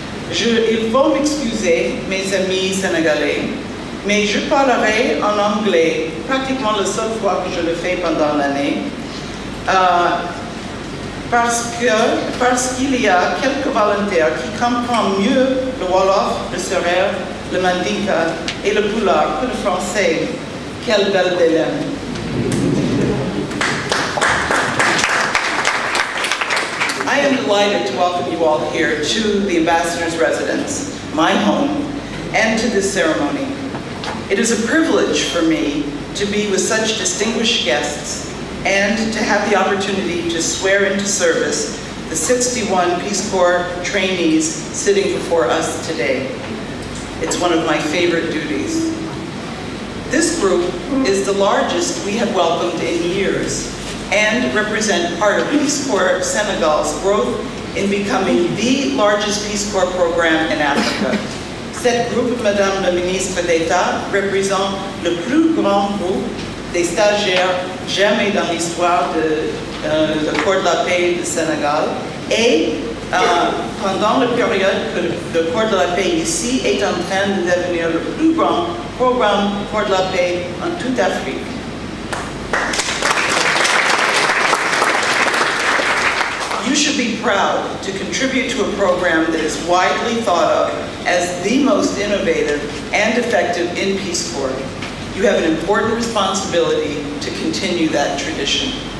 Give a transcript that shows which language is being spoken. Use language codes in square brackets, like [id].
[fr] Il faut m'excuser, mes amis sénégalais, mais je parlerai en anglais pratiquement la seule fois que je le fais pendant l'année, parce qu'il y a quelques volontaires qui comprennent mieux le Wolof, le Serer, le Mandinka et le Poulard que le français. Quelle belle délème! [en] I am delighted to welcome you all here to the Ambassador's Residence, my home, and to this ceremony. It is a privilege for me to be with such distinguished guests and to have the opportunity to swear into service the 61 Peace Corps trainees sitting before us today. It's one of my favorite duties. This group is the largest we have welcomed in years, and represent part of Peace Corps Senegal's growth in becoming the largest Peace Corps program in Africa. [fr] Cette groupe, Madame la Ministre d'État, représente le plus grand groupe des stagiaires jamais dans l'histoire de la Cour de la Paix du Sénégal. Et pendant la période que la Cour de la Paix ici est en train de devenir le plus grand programme Cour de la Paix en toute Afrique. [en] You should be proud to contribute to a program that is widely thought of as the most innovative and effective in Peace Corps. You have an important responsibility to continue that tradition.